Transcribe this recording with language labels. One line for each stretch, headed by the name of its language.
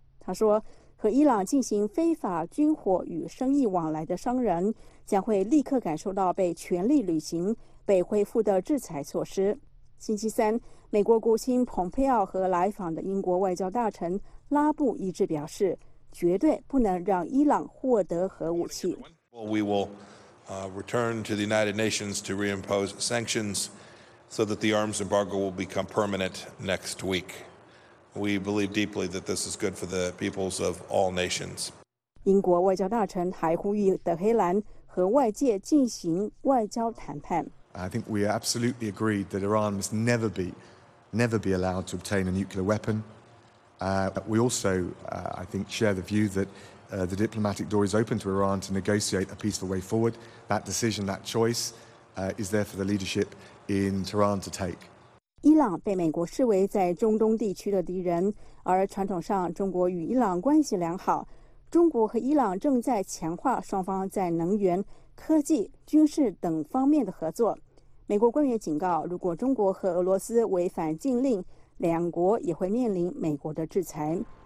Chinese: 他说，和伊朗进行非法军火与生意往来的商人将会立刻感受到被全力履行、被恢复的制裁措施。星期三，美国国务卿蓬佩奥和来访的英国外交大臣拉布一致表示，绝对不能让伊朗获得核武器。
English: Well, we will return to the United Nations to reimpose sanctions so that the arms embargo will become permanent next week. We believe deeply that this is good for the peoples of all nations.
Chinese: 英国外交大臣还呼吁德黑兰和外界进行外交谈判。
English: I think we absolutely agreed that Iran must never be allowed to obtain a nuclear weapon. We also, I think, share the view that the diplomatic door is open to Iran to negotiate a peaceful way forward. That decision, that choice, is there for the leadership in Tehran to take.
Chinese: 伊朗被美国视为在中东地区的敌人，而传统上中国与伊朗关系良好。中国和伊朗正在强化双方在能源、科技、军事等方面的合作。美国官员警告，如果中国和俄罗斯违反禁令，两国也会面临美国的制裁。